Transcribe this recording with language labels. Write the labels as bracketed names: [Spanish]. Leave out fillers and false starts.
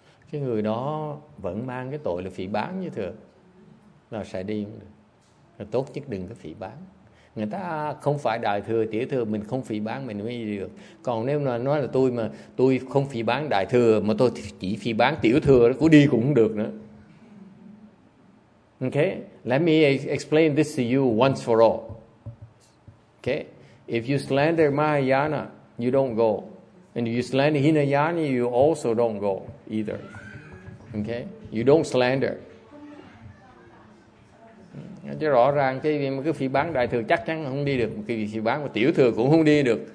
[Vietnamese] Cái người đó vẫn mang cái tội là phỉ báng như thường. Là sẽ đi không được. Tốt nhất đừng có phỉ báng. Người ta không phải đại thừa, tiểu thừa, mình không phỉ báng mình mới đi được. Còn nếu mà nói là tôi mà tôi không phỉ báng đại thừa mà tôi chỉ phỉ báng tiểu thừa, cứ đi cũng không được nữa. [English] Okay? Let me explain this to you once for all. Okay? If you slander Mahayana, you don't go. And if you slander Hinayana, you also don't go either. Okay? You don't slander. [Vietnamese] Chứ rõ ràng cái mà cứ phỉ báng đại thừa chắc chắn không đi được. Cái phỉ báng của tiểu thừa cũng không đi được.